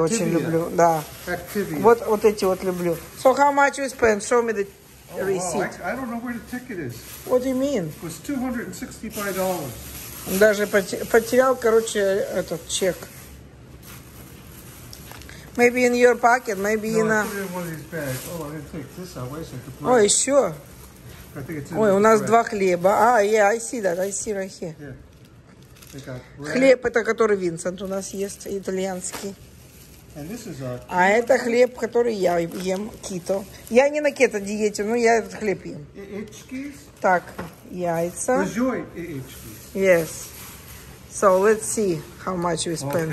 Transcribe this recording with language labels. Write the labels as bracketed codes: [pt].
[ru] Очень люблю. Да. Вот эти вот люблю. [en] So how much you spend? Show me the receipt. Wow. I don't know where the ticket is. What do you mean? It was $265. [ru] Даже потерял, короче, этот чек. [en] Maybe in your pocket, maybe no, in a... No, I put it in one of these bags. Oh, I didn't take this out. [ru] Oh, еще? [en] I think it's in [ru] Ой, у нас два хлеба. [en] Ah, yeah, I see that. I see right here. Yeah. They got bread. [ru] Хлеб, это который Винсент у нас ест, итальянский. [en] And this is our... [ru] А это хлеб, который я ем, кито. Я не на кето-диете, но я этот хлеб ем. Яичкис? Так, яйца. [en] Enjoy яичкис. Yes. So, let's see how much we spent.